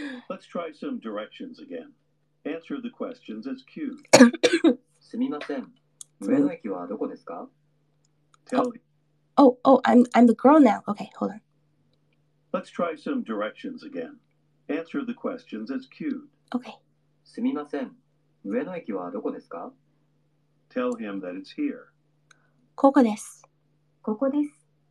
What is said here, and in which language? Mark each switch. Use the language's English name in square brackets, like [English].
[English] Let's try some directions again. Answer the questions as cued. [Japanese] すみません。上野駅はどこですか？ [English] Tell, Oh, I'm the girl now. Okay, hold on. Let's try some directions again. Answer the questions as cued. Okay. [Japanese] すみません。上野駅はどこですか? [English] Tell him that it's here. [Japanese] ここです。ここです。